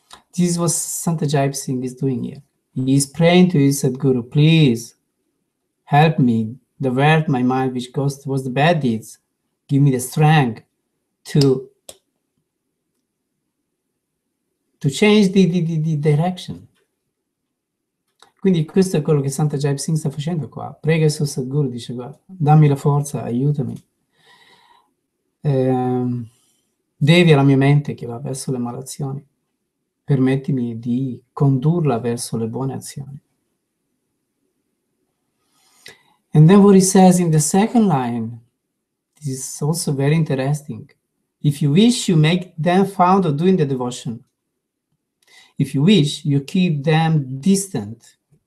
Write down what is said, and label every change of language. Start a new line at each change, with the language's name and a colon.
English: This is what Santa Jai Singh is doing here. He is praying to his Sadguru, please help me divert my mind which goes towards the bad deeds. Give me the strength to change the direction.
Italian: Quindi questo è quello che Santa Jai Singh sta facendo qua. Prega il suo Sadguru, dice, guarda, dammi la forza, aiutami. Devi alla mia mente che va verso le malazioni, permettimi di condurla verso le buone azioni.
English: And then what he says in the second line, this is also very interesting. If you wish, you make them fond of doing the devotion. If you wish, you keep them distant.